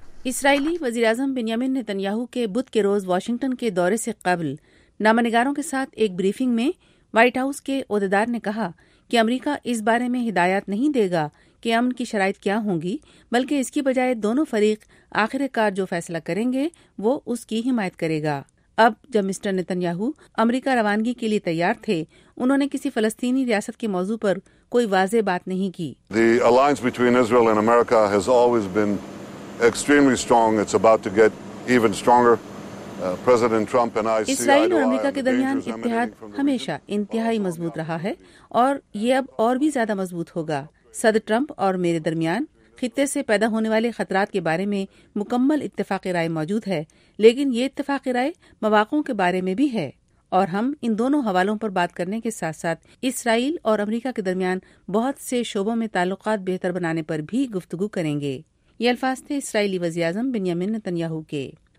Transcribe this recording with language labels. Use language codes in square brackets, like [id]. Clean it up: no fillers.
[ur] اسرائیلی وزیراعظم بنیامین نتنیاہو کے بدھ کے روز واشنگٹن کے دورے سے قبل نامہ نگاروں کے ساتھ ایک بریفنگ میں وائٹ ہاؤس کے عہدیدار نے کہا کہ امریکہ اس بارے میں ہدایات نہیں دے گا کہ امن کی شرائط کیا ہوں گی، بلکہ اس کی بجائے دونوں فریق آخر کار جو فیصلہ کریں گے وہ اس کی حمایت کرے گا۔ اب جب مسٹر نتنیاہو امریکہ روانگی کے لیے تیار تھے، انہوں نے کسی فلسطینی ریاست کے موضوع پر کوئی واضح بات نہیں کی۔ [en] The alliance between Israel and America has always been extremely strong. It's about to get even stronger. [ur] اسرائیل اور امریکہ کے درمیان اتحاد ہمیشہ انتہائی مضبوط رہا ہے اور یہ اب اور بھی زیادہ مضبوط ہوگا۔ صدر ٹرمپ اور میرے درمیان خطے سے پیدا ہونے والے خطرات کے بارے میں مکمل اتفاق رائے موجود ہے، لیکن یہ اتفاق رائے مواقع کے بارے میں بھی ہے، اور ہم ان دونوں حوالوں پر بات کرنے کے ساتھ ساتھ اسرائیل اور امریکہ کے درمیان بہت سے شعبوں میں تعلقات بہتر بنانے پر بھی گفتگو کریں گے۔ یہ الفاظ تھے اسرائیلی وزیراعظم بنیامین نتنیاہو کے۔